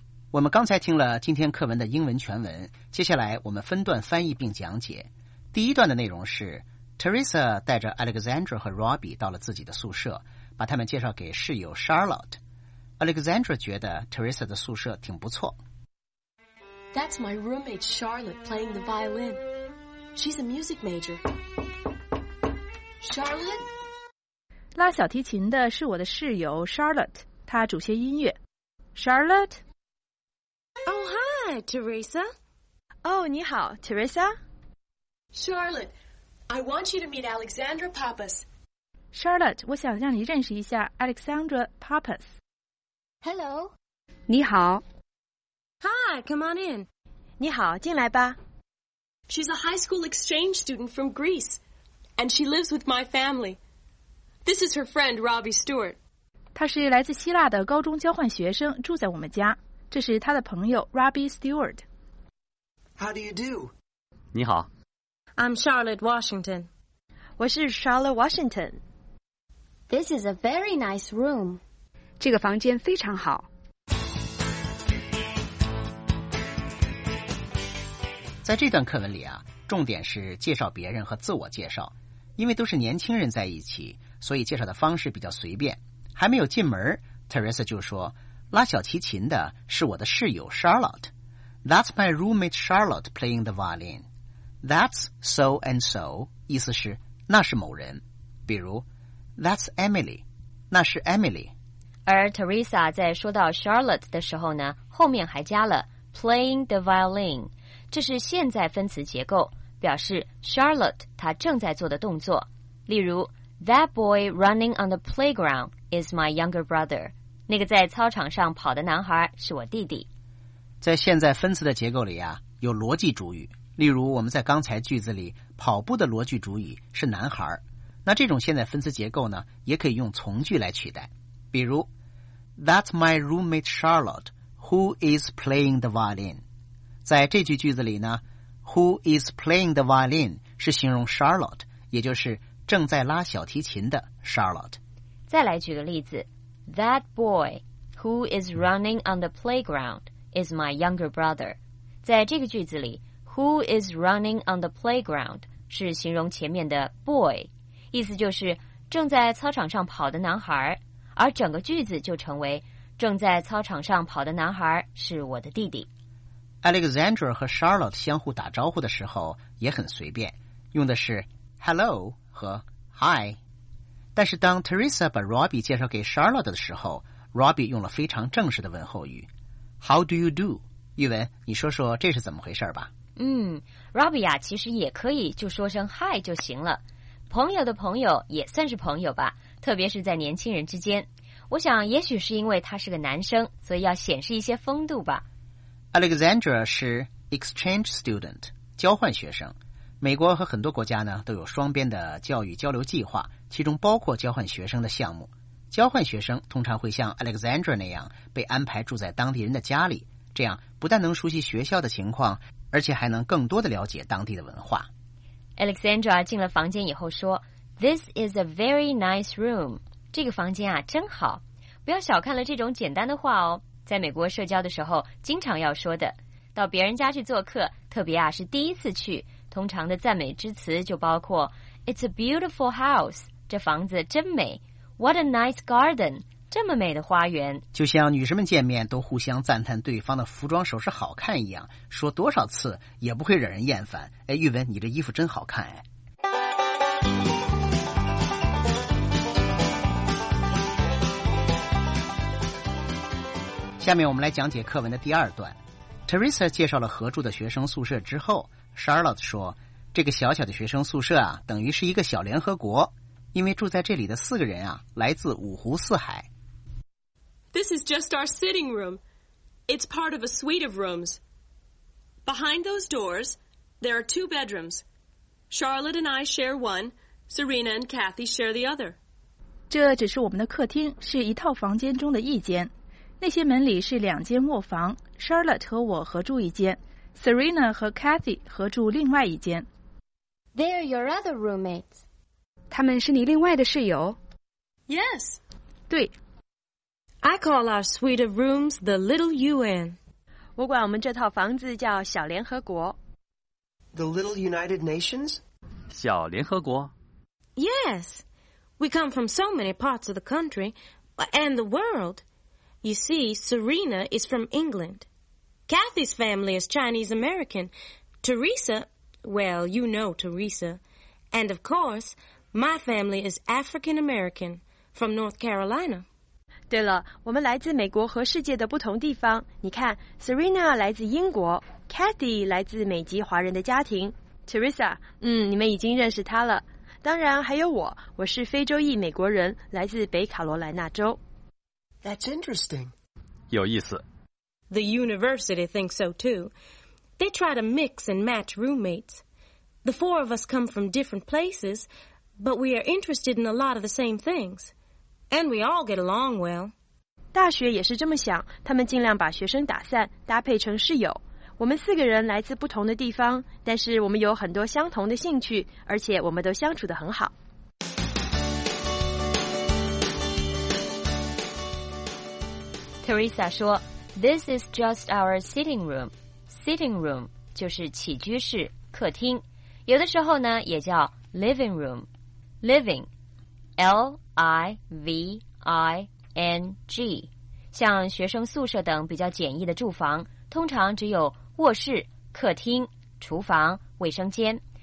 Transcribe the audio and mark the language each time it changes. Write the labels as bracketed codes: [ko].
[zh] 我们刚才听了今天课文的英文全文，接下来我们分段翻译并讲解。第一段的内容是 Teresa 带着 Alexandra 和 Robbie 到了自己的宿舍，把他们介绍给室友 Charlotte。 Alexandra 觉得 Teresa 的宿舍挺不错。 [en] That's my roommate Charlotte playing the violin. She's a music major. Charlotte? [zh] 拉小提琴的是我的室友 Charlotte， 她主修音乐。 [en] Charlotte? Oh, hi, Teresa. [zh] Oh, 你好 Teresa. [en] Charlotte, I want you to meet Alexandra Pappas. [zh] Charlotte, 我想让你认识一下 Alexandra Pappas. [en] Hello. [zh] 你好。 [en] Hi, come on in. [zh] 你好，进来吧。 [en] She's a high school exchange student from Greece, and she lives with my family. This is her friend, Robbie Stewart. [zh] 她是来自希腊的高中交换学生，住在我们家。这是他的朋友 Robbie Stewart. [en] How do you do? [zh] 你好。 [en] I'm Charlotte Washington. [zh] 我是 Charlotte Washington. [en] This is a very nice room. [zh] 这个房间非常好。在这段课文里啊，重点是介绍别人和自我介绍，因为都是年轻人在一起，所以介绍的方式比较随便。还没有进门， Teresa 就说拉小提琴的是我的室友 Charlotte. [en] That's my roommate Charlotte playing the violin. That's so and so, [zh] 意思是那是某人。比如 [en] That's Emily, [zh] 那是 Emily. 而 Teresa 在说到 Charlotte 的时候呢，后面还加了 playing the violin. 这是现在分词结构，表示 Charlotte 她正在做的动作。 [en] 例如 That boy running on the playground is my younger brother. [zh] 那个在操场上跑的男孩是我弟弟。在现在分词的结构里啊，有逻辑主语。例如我们在刚才句子里跑步的逻辑主语是男孩，那这种现在分词结构呢也可以用从句来取代。 [en] 比如 That's my roommate Charlotte who is playing the violin。 [zh] 在这句句子里呢， [en] who is playing the violin [zh] 是形容 Charlotte， 也就是正在拉小提琴的 Charlotte。再来举个例子， [en] That boy who is running on the playground is my younger brother. [zh] 在这个句子里 [en] who is running on the playground [zh] 是形容前面的 boy， 意思就是正在操场上跑的男孩，而整个句子就成为正在操场上跑的男孩是我的弟弟。 Alexandra 和 Charlotte 相互打招呼的时候也很随便，用的是 hello 和 hi。但是当 Teresa 把 Robbie 介绍给 Charlotte 的时候， Robbie 用了非常正式的问候语 [en] How do you do? [zh] 玉文，你说说这是怎么回事吧。嗯， Robbie 啊，其实也可以就说声 Hi 就行了，朋友的朋友也算是朋友吧，特别是在年轻人之间。我想也许是因为他是个男生，所以要显示一些风度吧。 Alexandra 是 exchange student， 交换学生。美国和很多国家呢都有双边的教育交流计划，其中包括交换学生的项目。交换学生通常会像 Alexandra 那样被安排住在当地人的家里，这样不但能熟悉学校的情况，而且还能更多的了解当地的文化。 Alexandra 进了房间以后说 [en] This is a very nice room， [zh] 这个房间啊真好。不要小看了这种简单的话哦，在美国社交的时候经常要说的。到别人家去做客，特别啊是第一次去，通常的赞美之词就包括 [en] It's a beautiful house， [zh] 这房子真美。 [en] What a nice garden， [zh] 这么美的花园。就像女生们见面都互相赞叹对方的服装首饰好看一样，说多少次也不会惹人厌烦。哎，玉文，你这衣服真好看。哎，下面我们来讲解课文的第二段。 Teresa 介绍了合住的学生宿舍之后，Charlotte 说这个小小的学生宿舍啊等于是一个小联合国，因为住在这里的四个人啊来自五湖四海。 [en] This is just our sitting room. It's part of a suite of rooms. Behind those doors there are two bedrooms. Charlotte and I share one. Serena and Kathy share the other. [zh] 这只是我们的客厅，是一套房间中的一间。那些门里是两间卧房， Charlotte 和我合住一间， Serena 和 Cathy 合住另外一间。 [en] They are your other roommates. [zh] 他们是你另外的室友？ [en] Yes. [zh] 对。 [en] I call our suite of rooms the Little UN. [zh] 我管我们这套房子叫小联合国。 [en] The Little United Nations? [zh] 小联合国？ [en] Yes. We come from so many parts of the country and the world. You see, Serena is from England. Kathy's family is Chinese-American. Teresa, well, you know Teresa. And of course, my family is African-American, from North Carolina. [zh] 对了，我们来自美国和世界的不同地方。你看 ,Serena 来自英国 ,Kathy 来自美籍华人的家庭。 Teresa, 你们已经认识她了。当然还有我，我是非洲裔美国人，来自北卡罗来纳州。 [en] That's interesting. [zh] 有意思。 [en] The university thinks so too. They try to mix and match roommates. The four of us come from different places, but we are interested in a lot of the same things. And we all get along well. [zh] 大学也是这么想，他们尽量把学生打散，搭配成室友。我们四个人来自不同的地方，但是我们有很多相同的兴趣，而且我们都相处得很好。 [en] Teresa 说 This is just our sitting room. [zh] Sitting room 就是起居室、客厅，有的时候呢也叫 living room. [en] Living, L-I-V-I-N-G. [zh] 像学生宿舍等比较简易的住房，通常只有卧室、客厅、厨房、卫生间。